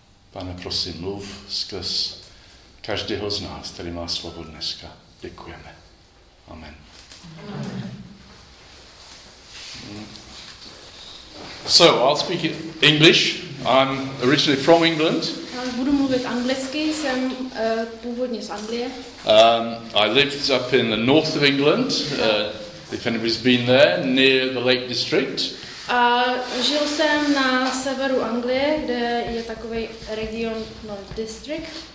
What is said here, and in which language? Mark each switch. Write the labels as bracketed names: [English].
[Czech] Pane, prosím, mluv skrz každého z nás, který má slovo dneska. Děkujeme. Amen. [English] So, I'll speak English. I'm originally from England. [Czech] Budu mluvit anglicky, jsem původně z Anglie. [English] I lived up in the north of England, if anybody's been there, near the Lake District. [Czech] A žil jsem na severu Anglie, kde je takový region, no, district.